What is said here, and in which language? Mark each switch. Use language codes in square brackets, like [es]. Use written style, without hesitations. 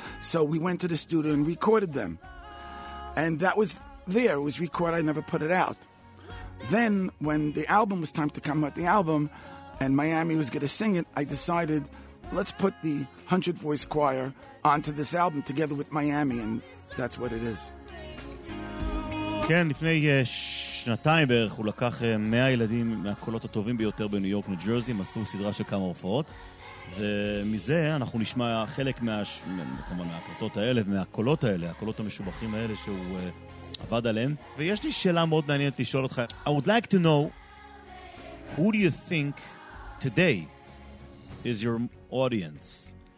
[en] So we went to the studio and recorded them, and that was there. It was recorded. I never put it out. Then when the album was time to come out, the album, and Miami was going to sing it, I decided, let's put the 100 voice choir onto this album together with Miami, and that's what it is. [he] כן, לפני שנתיים בערך הוא לקח 100 ילדים מהקולות הטובים ביותר בניו יורק, ניו ג'רזי, עשו סדרה של כמה הופעות, ומזה אנחנו נשמע חלק מהקלטות האלה, מהקולות האלה, הקולות המשובחים האלה שהוא עבד עליהם. ויש לי שאלה מאוד מעניינת לשאול אותך. [en] I would like to know, who do you think today is your audience?